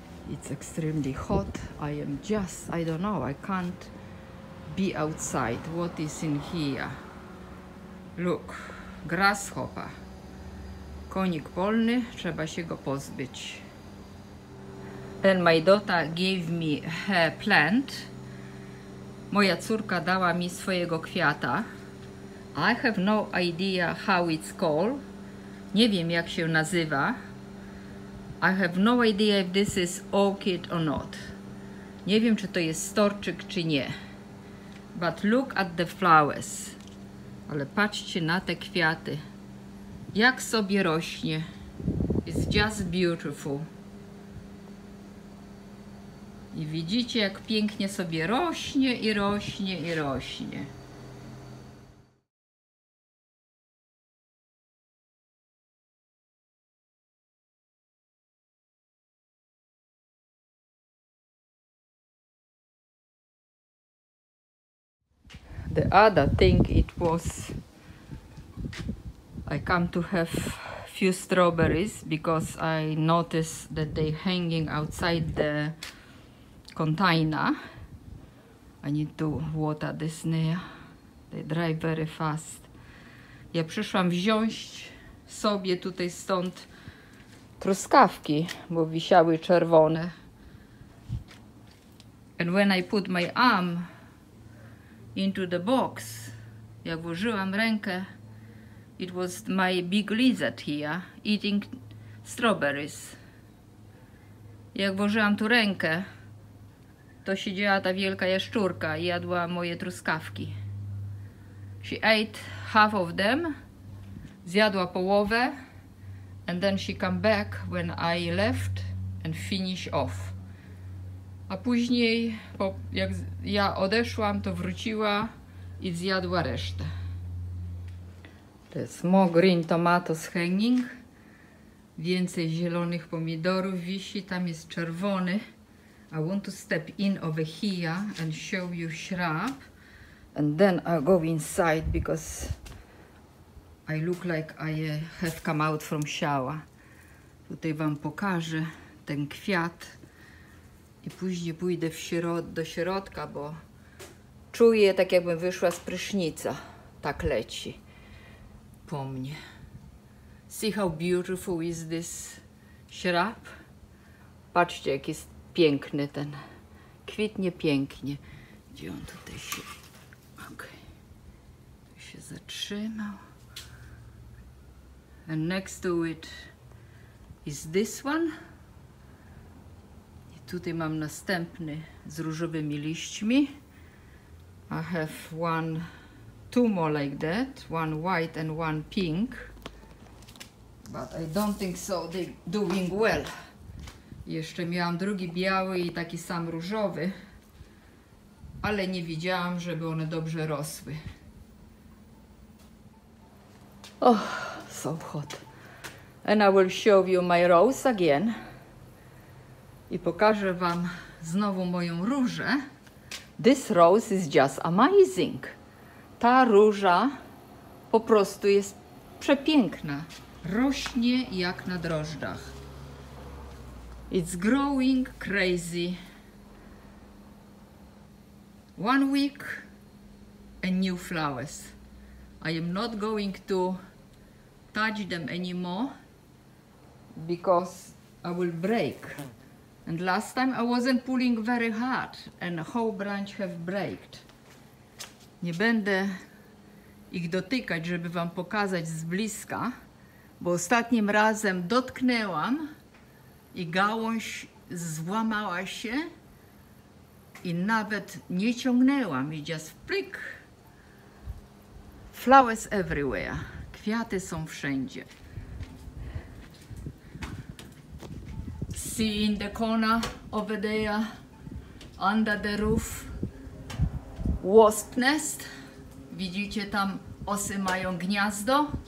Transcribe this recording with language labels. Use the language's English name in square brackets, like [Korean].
[English] It's extremely hot. I am just, I don't know, I can't be outside. What is in here? Look, grasshopper. [Polish] Konik polny, trzeba się go pozbyć. [English] And my daughter gave me her plant. [Polish] Moja córka dała mi swojego kwiata. [English] I have no idea how it's called. [Polish] Nie wiem, jak się nazywa. [English] I have no idea if this is orchid or not. [Polish] Nie wiem, czy to jest storczyk, czy nie. [English] But look at the flowers. [Polish] Ale patrzcie na te kwiaty. Jak sobie rośnie. [English] It's just beautiful. [Polish] I widzicie, jak pięknie sobie rośnie i rośnie i rośnie. [English] The other thing it was, I come to have few strawberries because I noticed that they hanging outside the container. I need to water this near. They dry very fast. [Polish] Ja przyszłam wziąć sobie tutaj stąd truskawki, bo wisiały czerwone. [English] And when I put my arm into the box, [Polish] jak włożyłam rękę, [English] it was my big lizard here eating strawberries. [Polish] Jak włożyłam tu rękę, to siedziała ta wielka jaszczurka i jadła moje truskawki. [English] She ate half of them, [Polish] zjadła połowę, [English] and then she came back when I left and finish off. [Polish] A później, jak ja odeszłam, to wróciła i zjadła resztę. [English] There's more green tomatoes hanging. [Polish] Więcej zielonych pomidorów wisi, tam jest czerwony. [English] I want to step in over here and show you shrub. And then I go inside because I look like I have come out from shower. [Polish] Tutaj wam pokażę ten kwiat. I później pójdę do środka, bo czuję, tak jakbym wyszła z prysznica. Tak leci po mnie. [English] See how beautiful is this shrub? [Polish] Patrzcie, jak jest piękny ten. Kwitnie pięknie. Gdzie on tutaj się... Okej. Okay. Się zatrzymał. [English] And next to it is this one. [Polish] tutaj mam następny z różowymi liśćmi. [English] I have one, two more like that, one white and one pink. But I don't think so, they're doing well. [Polish] Jeszcze miałam drugi biały i taki sam różowy, ale nie widziałam, żeby one dobrze rosły. [English] Oh, so hot. And I will show you my rose again. [Polish] I pokażę wam znowu moją różę. [English] This rose is just amazing. [Polish] Ta róża po prostu jest przepiękna. Rośnie jak na drożdżach. [English] It's growing crazy. 1 week and new flowers. I am not going to touch them anymore because I will break. And last time I wasn't pulling very hard and a whole branch have breaked. [Polish] Nie będę ich dotykać, żeby wam pokazać z bliska, bo ostatnim razem dotknęłam i gałąź złamała się i nawet nie ciągnęłam i just plik. [English] Flowers everywhere. [Polish] Kwiaty są wszędzie. [English] See in the corner over there, under the roof, wasp nest. [Polish] Widzicie, tam osy mają gniazdo.